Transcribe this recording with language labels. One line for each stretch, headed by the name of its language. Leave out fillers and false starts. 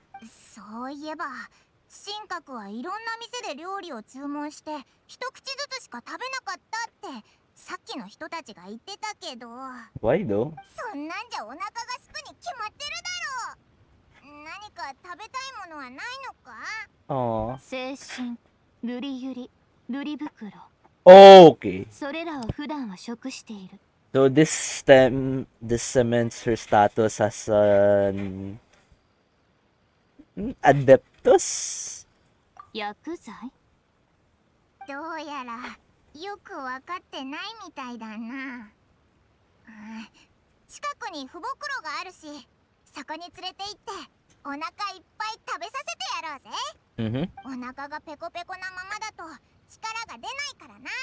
Japanese: そういえば、神格はいろんな店で料理を注文して、一口ずつしか食べなかったって、さっきの人たちが言ってたけど。
English: Why though?
Japanese: そんなんじゃお腹が空くに決まってるだろう。何か食べたいものはないのか？精神、瑠璃ユリ、瑠璃袋。
English: OK。
Japanese: それらを普段は食している。
English: So this stem, this cements her status as an adeptus? Yakuzai?
Japanese: どうやらよくわかってないみたいだな。近くに福袋があるし、そこに連れて行ってお腹いっぱい食べさせてやろうぜ。お腹がペコペコなままだと力が出ないからな。